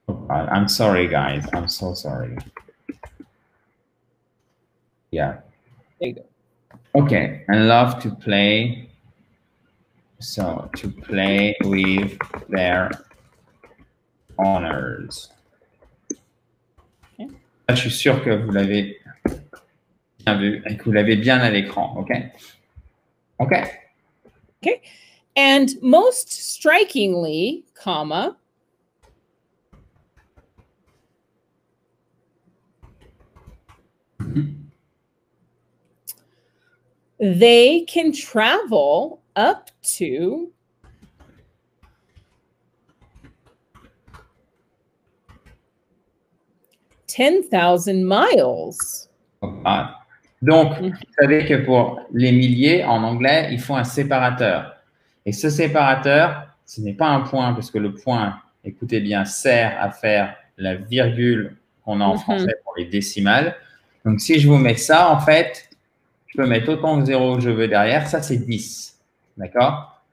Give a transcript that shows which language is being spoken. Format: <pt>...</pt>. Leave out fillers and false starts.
<en>I'm sorry, guys. I'm so sorry. Yeah. There you go. Okay, and love to play. So to play with their owners. Okay.</en> <fr>Là, je suis sûr que vous l'avez bien vu et que vous l'avez bien à l'écran.</fr> <en>Okay. And most strikingly, comma. They can travel up to 10,000 miles. Ah.</en> <fr>Donc, vous savez que pour les milliers, en anglais, il faut un séparateur. Et ce séparateur, ce n'est pas un point, parce que le point, écoutez bien, sert à faire la virgule qu'on a en français pour les décimales. Donc, si je vous mets ça, en fait... Je peux mettre autant de zéros que je veux derrière. Ça, c'est 10. D'accord?</fr>